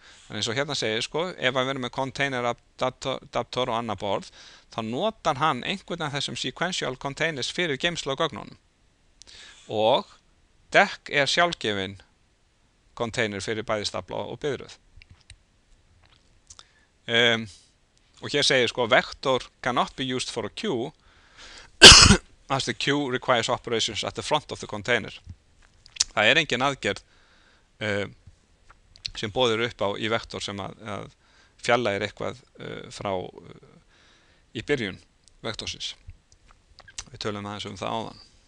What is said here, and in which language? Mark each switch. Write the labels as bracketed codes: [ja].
[is] En eins og hérna segir, sko, ef að vera með container adaptor og annað borð, þá notar hann einhvern af þessum sequential containers fyrir geymslu á gögnunum. Og deck er sjálfgefin container fyrir bæði stafla og biðröð. Og hér segir, sko, [en] vector cannot be used for a queue as the queue requires operations at the front of the container. [is] Það er engin aðgerð sem boðir upp á í vektor sem að fjarlægir eitthvað frá í byrjun vektorsins. Við tölum aðeins um það áðan.